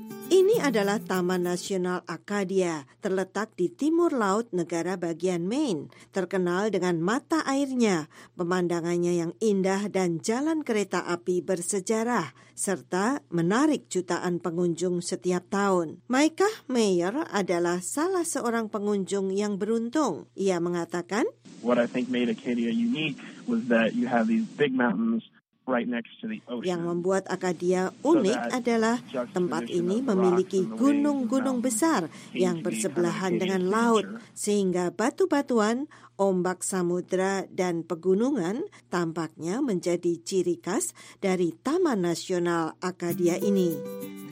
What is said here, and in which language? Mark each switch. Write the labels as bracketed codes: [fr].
[id] Ini adalah Taman Nasional Acadia, terletak di timur laut negara bagian Maine, terkenal dengan mata airnya, pemandangannya yang indah dan jalan kereta api bersejarah, serta menarik jutaan pengunjung setiap tahun. Micah Mayer adalah salah seorang pengunjung yang beruntung. Ia mengatakan, [en] "What I think made Acadia unique was that you have these big mountains right next to the ocean." [id] Yang membuat Acadia unik adalah tempat ini memiliki gunung-gunung besar yang bersebelahan dengan laut, sehingga batu-batuan, ombak samudra, dan pegunungan tampaknya menjadi ciri khas dari Taman Nasional Acadia ini.